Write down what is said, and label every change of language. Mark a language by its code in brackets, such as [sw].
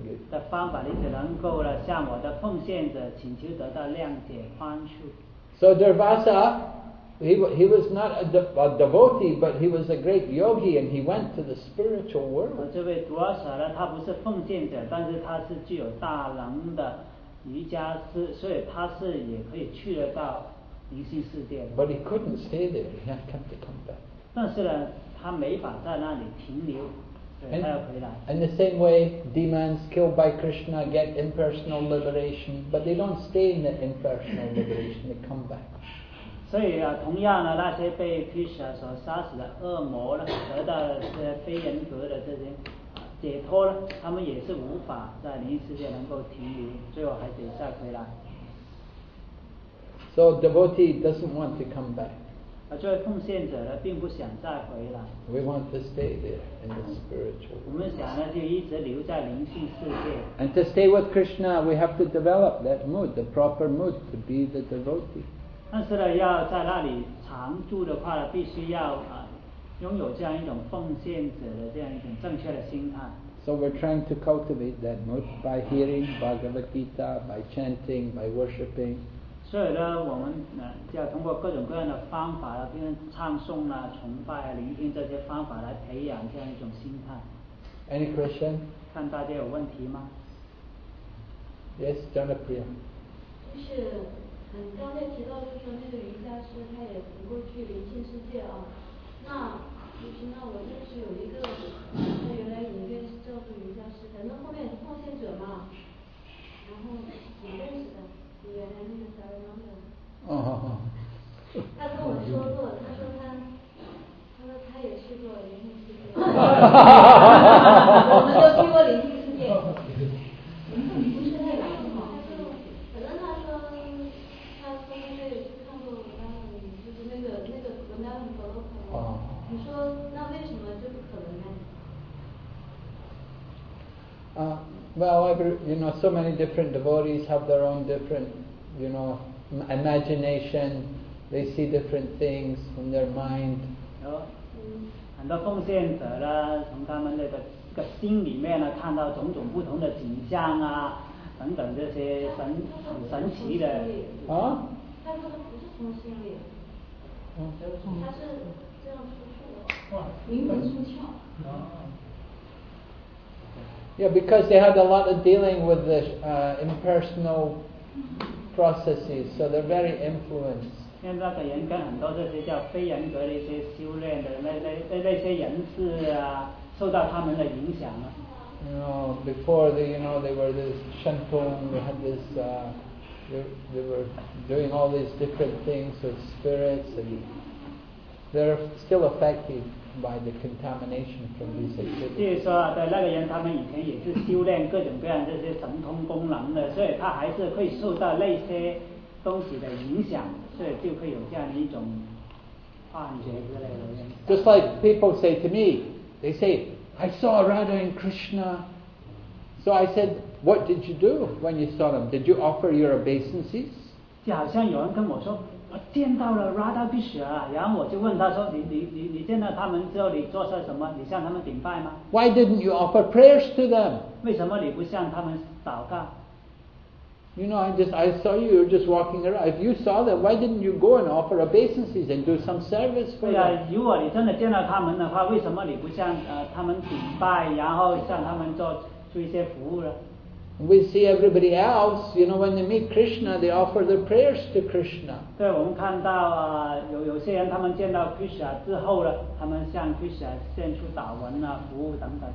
[zh] 的方法，你只能够了向我的奉献者请求得到谅解宽恕。 [en] So Durvasa, he was not a devotee, but he was a great yogi, and he went to the spiritual world. [zh] 这位 Durvasa 呢，他不是奉献者，但是他是具有大能的瑜伽师，所以他是也可以去得到灵性世界。 [en] But he couldn't stay there. He had come to come back. [zh] 但是呢，他没法在那里停留。 [en] And the same way, demons killed by Krishna get impersonal liberation, but they don't stay in the impersonal liberation, they come back. [zh] 所以啊，同样的那些被 Krishna 所杀死的恶魔呢，得到的这些非人格的这些解脱呢，他们也是无法在灵世界能够停留，最后还得再回来。 [en] So devotee doesn't want to come back. [zh] 作为奉献者呢，并不想再回来。 [en] We want to stay there in the spiritual. [zh] 我们想呢，就一直留在灵性世界。 [en] And to stay with Krishna, we have to develop that mood, the proper mood to be the devotee. [zh] 但是呢，要在那里常住的话，必须要拥有这样一种奉献者的这样一种正确的心态。 [en] So we're trying to cultivate that mood by hearing Bhagavad Gita, by chanting, by worshipping. [zh] 所以呢，我们就要通过各种各样的方法啦，比如唱诵啦、崇拜啊、聆听这些方法来培养这样一种心态。 [en] Any question？ [zh] 看大家有问题吗 [en] ？Yes, Janapriya。 [zh] 就是，刚才提到就是说那个瑜伽师他也不过去灵性世界啊。那就是那我认识有一个，他原来也是教做瑜伽师的，那后面奉献者嘛，然后也认识的。原来那个小杨杨的，他跟我说过，他说他也去过灵性世界，我们都去过灵性世界，不是太感动吗？反正他说他也去看过我那个，就是那个格麦隆格洛克，你说那为什么就不可能呢？ [en] Well, you know, so many different devotees have their own different, you know, imagination. They see different things in their mind. [zh] 很多奉献者呢，从他们那个心里面呢，看到种种不同的景象啊，等等这些很神奇的。啊？他说他不是从心里。嗯。他是这样出窍，灵魂出窍。 [en] Yeah, because they had a lot of dealing with the impersonal processes, so they're very influenced. [zh] 现在的人跟很多这些叫非人格的一些修炼的那些人士啊，受到他们的影响啊。 [en] No, before they were this shantung, they had this, they were doing all these different things with spirits, and they're still affected. By the contamination from these activities. [zh] 就是说，对那个人，他们以前也是修炼各种各样这些神通功能的，所以他还是会受到那些东西的影响，所以就会有这样一种幻觉之类的。 [en] Just like people say to me, they say, I saw Radha and Krishna. So I said, what did you do when you saw them? Did you offer your obeisances? [zh] 就好像有人跟我说。我见到了 Radha Krishna， 然后我就问他说：“你见到他们之后，你做些什么？你向他们顶拜吗 [en] ？”Why didn't you offer prayers to them？ [zh] 为什么你不向他们祷告 [en] ？You know, I saw you just walking around. If you saw them, why didn't you go and offer obeisances and do some service for them？ [zh] 对啊，如果你真的见到他们的话，为什么你不向他们顶拜，然后向他们做一些服务呢？ [en] We see everybody else, you know, when they meet Krishna, they offer their prayers to Krishna. [zh] 对，我们看到啊，有些人他们见到 Krishna 之后呢，他们向 Krishna 献出祷文啊、服务等等。